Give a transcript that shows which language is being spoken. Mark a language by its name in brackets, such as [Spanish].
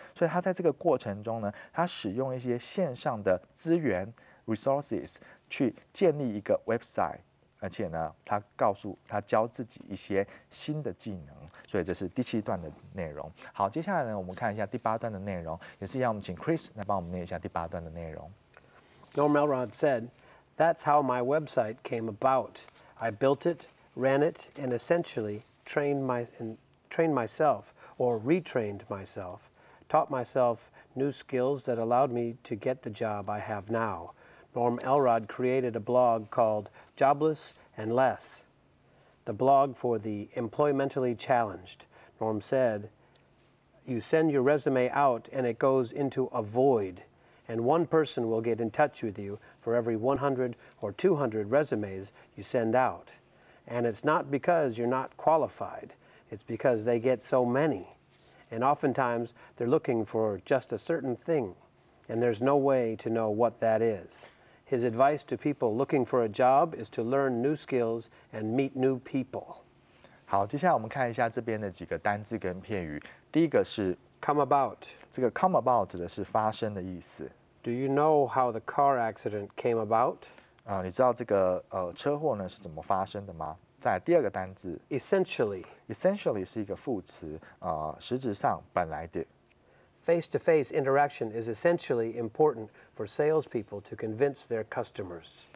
[Chinese] 所以他在这个过程中呢，他使用一些线上的资源。 resources 去建立一个 website， 而且呢，他教自己一些新的技能，所以这是第七段的内容。好，接下来呢，我们看一下第八段的内容，也是要我们请 Chris 来帮我们念一下第八段的内容。 [English] Norm Elrod said, "That's how my website came about. I built it, ran it, and essentially retrained myself, taught myself new skills that allowed me to get the job I have now." Norm Elrod created a blog called Jobless and Less, the blog for the employmentally challenged. Norm said, you send your resume out and it goes into a void, and one person will get in touch with you for every 100 or 200 resumes you send out. And it's not because you're not qualified, it's because they get so many. And oftentimes they're looking for just a certain thing, and there's no way to know what that is. His advice to people looking for a job is to learn new skills and meet new people. [Chinese] 好，接下来我们看一下这边的几个单字跟片语。第一个是 [English] come about。 [Chinese] 这个 come about 指的是发生的意思。 [English] Do you know how the car accident came about? [Chinese] 你知道这个车祸呢是怎么发生的吗？再来第二个单字 [English] essentially。 [Chinese] essentially 是一个副词，实质上本来的。 [English] face-to-face interaction is essentially important for salespeople to convince their customers.